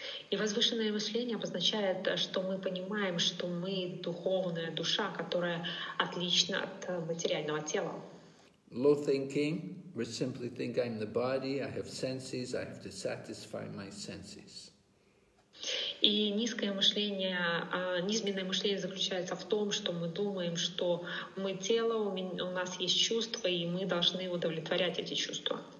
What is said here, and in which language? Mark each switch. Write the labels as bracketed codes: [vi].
[ru] И возвышенное мышление обозначает, что мы понимаем, что мы духовная душа, которая отлична от материального тела. [en] Low thinking, we simply think I'm the body, I have senses, I have to satisfy my senses. [ru] И низкое мышление, низменное мышление заключается в том, что мы думаем, что мы тело, у нас есть чувства, и мы должны удовлетворять эти чувства.